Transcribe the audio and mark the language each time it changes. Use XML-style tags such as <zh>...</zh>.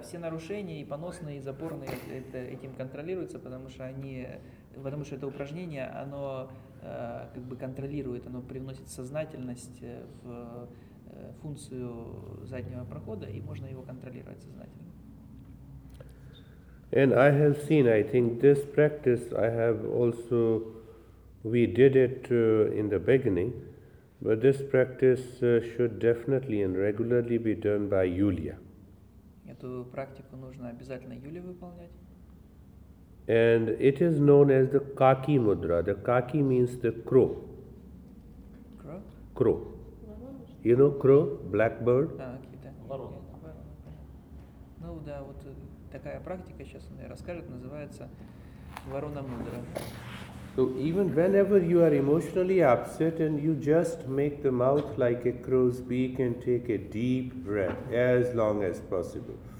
<ru>Все нарушения и поносные, и запорные этим контролируются, потому что это упражнение, оно как бы контролирует, оно привносит сознательность в функцию заднего прохода, и можно его контролировать сознательно.</ru> <en>And I have seen, I think, this practice, I have also, we did it in the beginning, but this practice should definitely and regularly be done by Yulia.</en> <ru>Эту практику нужно обязательно Юле выполнять.</ru> <en>And it is known as the Kaki Mudra. The Kaki means the crow. Crow? Crow. You know crow, blackbird?</en> <ru>А, okay, да. Ну да, вот... Такая практика, сейчас он и расскажет, называется Варуна Мудра.</ru> <en>So even whenever you are emotionally upset and you just make the mouth like a crow's beak and take a deep breath as long as possible.</en>